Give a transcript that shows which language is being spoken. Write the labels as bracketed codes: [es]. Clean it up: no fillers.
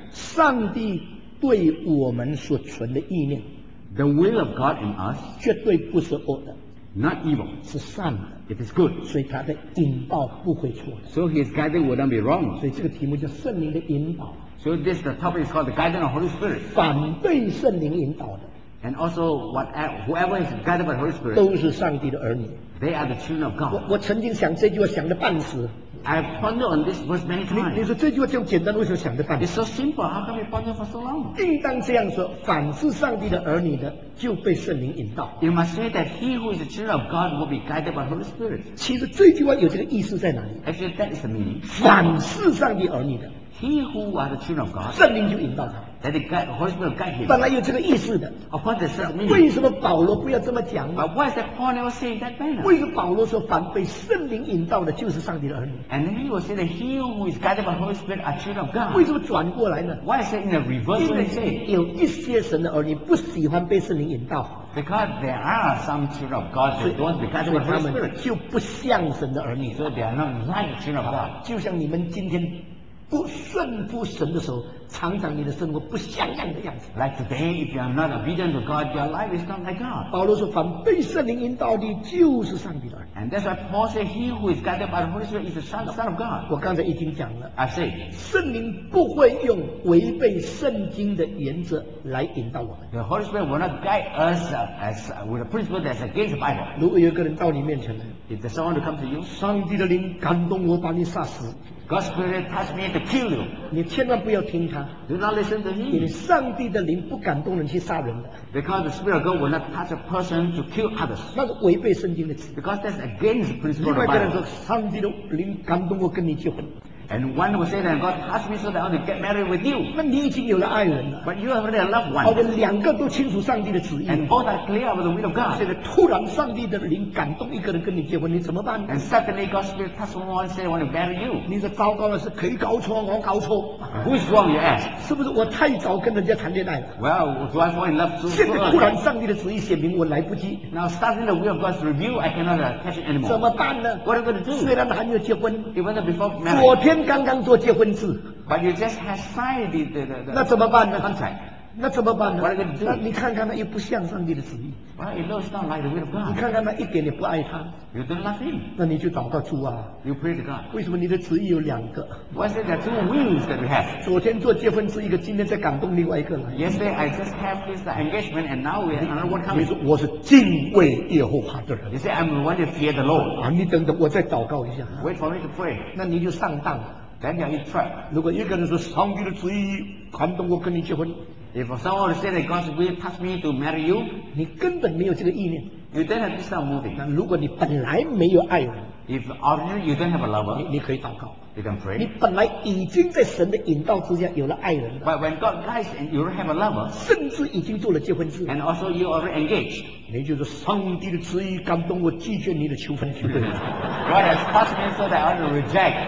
[zh] 上帝对我们所存的意念。 [en] The will of God in us. [zh] 绝对不是恶的。 [en] Not evil. [zh] 是善的。 [en] It is good. [zh] 所以他的引导不会错的。 [en] So his guiding will not be wrong. [zh] 所以这个题目叫圣灵的引导。 [en] So this the topic is called the guidance of the Holy Spirit. [zh] 反对圣灵引导的。 [en] And also what, whoever is guided by the Holy Spirit. [zh] 都是上帝的儿女。 [en] They are the children of God. [zh] 我曾经想这句话想得半死。 [en] I've pondered on this verse many times. [zh] 你说这句话这么简单为什么想得半死。 [en] It's so simple. How come you ponder for so long? [zh] 应当这样说凡是上帝的儿女的就被圣灵引导。 [en] You must say that he who is the children of God will be guided by the Holy Spirit. [zh] 其实这句话有这个意思在哪里。 [en] Actually that is the meaning. [zh] 凡是上帝儿女的。 [en] He who are the children of God, [zh] 圣灵就引导他。 [en] That the Holy Spirit will guide him. [zh] 本来有这个意思的。 [en] Of course, there's a meaning. [zh] 为什么保罗不要这么讲？ [en] But why is that Paul never saying that manner? [zh] 为什么保罗说凡被圣灵引导的，就是上帝的儿女？ [en] And then he will say that he who is guided by the Holy Spirit are children of God. [zh] 为什么转过来呢？ [en] Why is that in the reverse way? [zh] 因为有一些神的儿女不喜欢被圣灵引导。 [en] Because there are some children of God who don't because of the Holy Spirit, [zh] 就不像神的儿女。 [en] So they are not like children of God. [zh] 就像你们今天。不顺服神的时候，常常你的生活不像样的样子。 [en] Like today, if you are not obedient to God, your life is not like God. [zh] 保罗说，凡被圣灵引导的，就是上帝的儿女。 [en] And that's why Paul said, "He who is guided by the Holy Spirit is the son of God." [zh] 我刚才已经讲了。 [en] I say, [zh] 圣灵不会用违背圣经的原则来引导我们。 [en] The Holy Spirit will not guide us as with a principle that's against the Bible. [zh] 如果有一个人到你面前来。 [en] If there's someone to come to you, [zh] 上帝的灵感动我把你杀死。 [en] God's spirit touched me to kill you. [zh] 你千万不要听他。 [en] Do not listen to him. [zh] 因为上帝的灵不感动人去杀人的。 [en] Because the spirit of God will not touch a person to kill others. [zh] 那个违背圣经的词。 [en] Because that's against the principle of the Bible. [zh] 另外一个人说，上帝的灵感动我跟你结婚。 [en] And one will say that God touched me so that I want to get married with you. [zh] 那你已经有了爱人了。 [en] But you have already a loved one. [zh] 好的，两个都清楚上帝的旨意。 [en] And both are clear about the will of God. [zh] 现在突然上帝的灵感动一个人跟你结婚，你怎么办 [en] ？And suddenly God's spirit touched someone and said I want to marry you. [zh] 你说糟糕了，是谁搞错，我搞错。 [en] Who's wrong, you ask? [zh] 是不是我太早跟人家谈恋爱了 [en] ？Well, do I fall in love too soon? [zh] 现在突然上帝的旨意显明，我来不及。 [en] Now suddenly the will of God's review, I cannot catch it anymore. [zh] 怎么办呢 [en] ？What am I going to do? [zh] 虽然还没有结婚 [en] ，even before marriage. [zh] 昨天刚刚做结婚事 [en] but you just have signed the [zh] 那怎么办呢 [en] contract [zh] 那怎么办呢 [en] what are you gonna do [zh] 那你看看他又不像上帝的旨意 [en] well it looks not like the will of God [zh] 你看看他一点也不爱他 [en] you don't love him [zh] 那你就祷告主啊 [en] you pray to God [zh] 为什么你的旨意有两个 [en] why is it there are two wills that we have [zh] 昨天做结婚事一个今天在感动另外一个 [en] yesterday I just have this engagement and now we have another one coming [zh] 你说我是敬畏耶和华的人 [en] you say I'm the one that fear the Lord [zh] 啊你等等我再祷告一下 [en] wait for me to pray [zh] 那你就上当了 [en] Then you're in trap. [zh] 如果一个人说上帝的旨意感动我跟你结婚 [en] ，If someone said that God's will touch me to marry you， [zh] 你根本没有这个意念。 [en] You don't have this kind of moving. [zh] 那如果你本来没有爱人 [en] ，If originally you don't have a lover， [zh] 你可以祷告。 [en] You can pray. [zh] 你本来已经在神的引导之下有了爱人了。 [en] But when God guides and you don't have a lover， [zh] 甚至已经做了结婚事。 [en] And also you already engaged. [zh] 你就是上帝的旨意感动我拒绝你的求婚机会。 [en] God has touched me so that I want to reject.